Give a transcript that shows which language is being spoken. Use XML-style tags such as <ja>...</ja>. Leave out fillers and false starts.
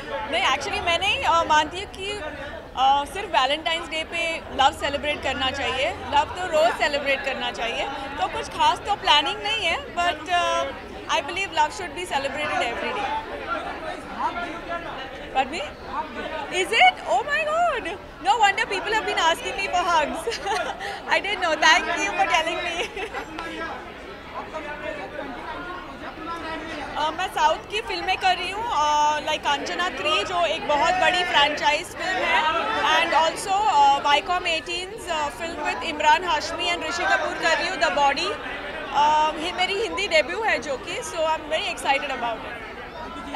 <hi>नहीं एक्चुअली मैंने मानती हूँ कि सिर्फ वैलेंटाइंस डे पे लव सेलिब्रेट करना चाहिए, लव तो रोज़ सेलिब्रेट करना चाहिए, तो कुछ खास तो प्लानिंग नहीं है but</hi> <en>I believe love should be celebrated every day. Pardon me? Is it? Oh my God! No wonder people have been asking me for hugs. I didn't know. Thank you for telling me.</en> <hi>मैं south की फिल्में कर रही हूँ, like Kanchana 3 जो एक बहुत बड़ी फ्रेंचाइज फिल्म है,</hi> <en>and also</en> <hi>Viacom 18 film with Imran Hashmi and Rishi Kapoor कर रही हूँ, द बॉडी। ये मेरी हिंदी डेब्यू है जो कि,</hi> <en>So I am very excited about it.</en>